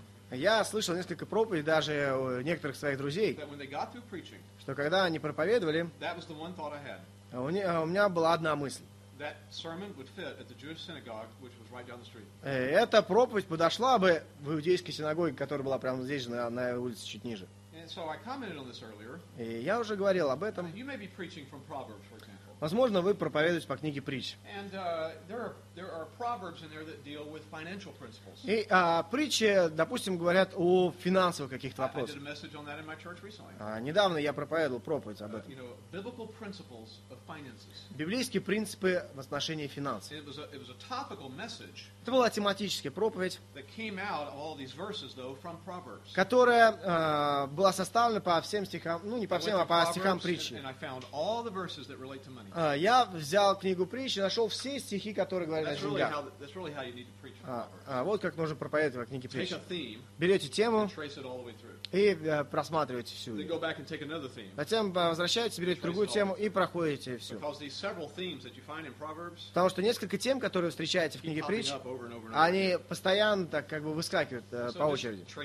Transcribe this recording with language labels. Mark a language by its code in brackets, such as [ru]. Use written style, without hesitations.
[ru] Я слышал несколько проповедей даже у некоторых своих друзей, что когда они проповедовали, у меня была одна мысль. [en] That sermon would fit at the Jewish synagogue, which was right down the street. [ru] Эта проповедь подошла бы в иудейской синагоге, которая была прямо здесь же на улице чуть ниже. [en] And so I commented on this earlier. [ru] И я уже говорил об этом. [en] You may be preaching from Proverbs, for example. [ru] Возможно, вы проповедуете по книге притч. [en] And there are proverbs in there that deal with financial principles. [ru] И притчи, допустим, говорят о финансовых каких-то вопросах. [en] I did a message on that in my church recently. [ru] Недавно я проповедовал проповедь об этом. [en] You know, biblical principles of finances. [ru] Библейские принципы в отношении финансов. [en] It was a topical message. [ru] Это была тематическая проповедь. [en] That came out of all these verses, though, from proverbs. [ru] Которая была составлена по всем стихам, ну не по всем, а по стихам притчи. [en] And I found all the verses that relate to money. [ru] Я взял книгу притч и нашел все стихи, которые говорят о деньгах. [en] That's really how you need to preach. [ru] Вот как нужно проповедовать во книге притч. [en] Take a theme. [ru] Берете тему. [en] And trace it all the way through. [ru] И просматриваете всю. [en] Then go back and take another theme. [ru] Затем возвращаетесь, берете другую тему и проходите всю. [en] Because these several themes that you find in proverbs. [ru] Потому что несколько тем, которые встречаете в книге притч. Они постоянно так как бы выскакивают по очереди.